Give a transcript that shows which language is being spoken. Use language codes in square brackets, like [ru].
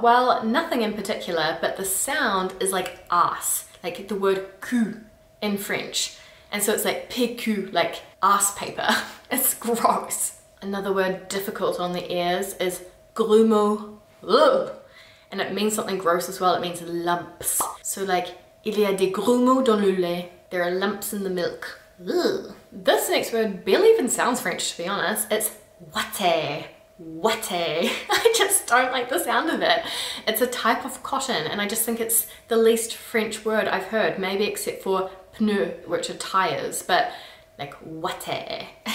[en] Well, nothing in particular, but the sound is like ass, like the word cul in French. And so it's like PQ, like ass paper. It's gross. Another word difficult on the ears is grumeau. Ugh. And it means something gross as well. It means lumps. So like, [fr] il y a des grumeaux dans le lait. [en] There are lumps in the milk. Ugh. This next word barely even sounds French, to be honest. It's ouaté. Ouaté. I just don't like the sound of it. It's a type of cotton, and I just think it's the least French word I've heard, maybe except for pneu, which are tires, but like ouaté.